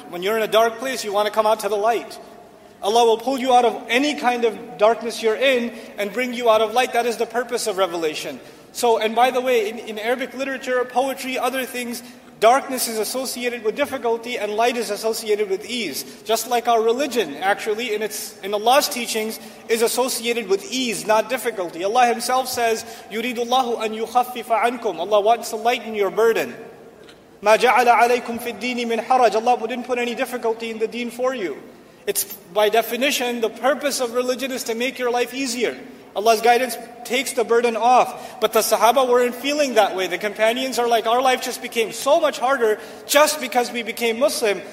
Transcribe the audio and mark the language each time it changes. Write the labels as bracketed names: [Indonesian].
[English] When you're in a dark place, you want to come out to the light. Allah will pull you out of any kind of darkness you're in and bring you out of light. That is the purpose of revelation. So, and by the way, in Arabic literature, poetry, other things, darkness is associated with difficulty and light is associated with ease. Just like our religion, actually, in Allah's teachings, is associated with ease, not difficulty. Allah Himself says, [Arabic] يُرِيدُ اللَّهُ أَن يُخَفِّفَ عَنْكُمْ. [English] Allah wants to lighten your burden. [Arabic] مَا جَعَلَ عَلَيْكُمْ فِي الدِّينِ مِنْ حَرَجٍ. [English] Allah didn't put any difficulty in the deen for you. It's by definition, the purpose of religion is to make your life easier. Allah's guidance takes the burden off. But the Sahaba weren't feeling that way. The companions are like, our life just became so much harder just because we became Muslim.